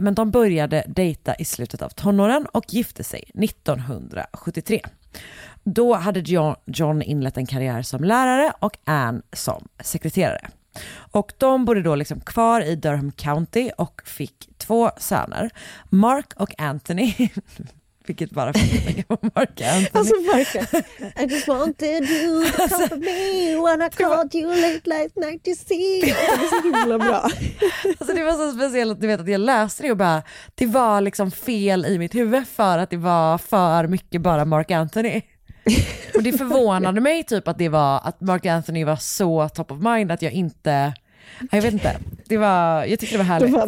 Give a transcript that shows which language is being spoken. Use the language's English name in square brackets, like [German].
[Swedish] Men de började dejta i slutet av tonåren och gifte sig 1973. Då hade John inlett en karriär som lärare och Anne som sekreterare. Och de bodde då liksom kvar i Durham County och fick två söner, Mark och Anthony. Vilket bara fick tänka på Mark och Anthony. [English] Alltså Mark, I just wanted you to come for me when I called you late last night to see. [Swedish] Det var så himla bra. Alltså det var så speciellt att du vet att jag läste det och bara, det var liksom fel i mitt huvud för att det var för mycket bara Mark och Anthony. Och det förvånade mig typ att det var att Mark Anthony var så [English] top of mind [Swedish] att jag inte, jag vet inte, det var, jag tyckte det var härligt.